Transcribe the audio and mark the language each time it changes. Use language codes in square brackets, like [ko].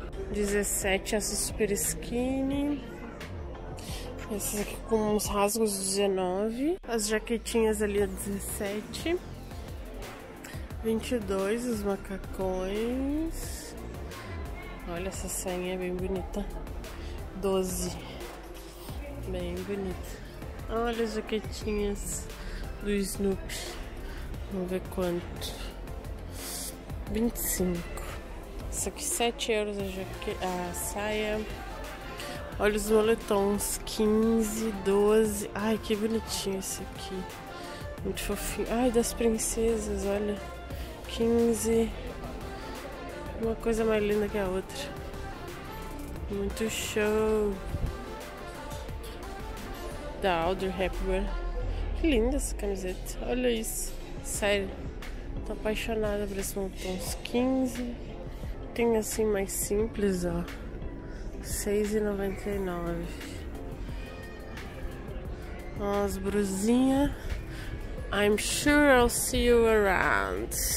[pt] 17, essa super skinny. Essa aqui com uns rasgos, 19. As jaquetinhas ali, 17. 22, os macacões. Olha essa sainha, bem bonita. 12. Bem bonita. Olha as jaquetinhas do Snoopy. Vamos ver quanto. 25. Isso aqui, 7 euros a saia. Olha os moletons. 15, 12. Ai, que bonitinho esse aqui. Muito fofinho. Ai, das princesas, olha. 15. Uma coisa mais linda que a outra. Muito show. Da Audrey Hepburn. Que linda essa camiseta. Olha isso. Sério. Tô apaixonada por esse montão. Uns 15. Tem assim mais simples, ó. 6,99. umas brusinhas. [en] I'm sure I'll see you around.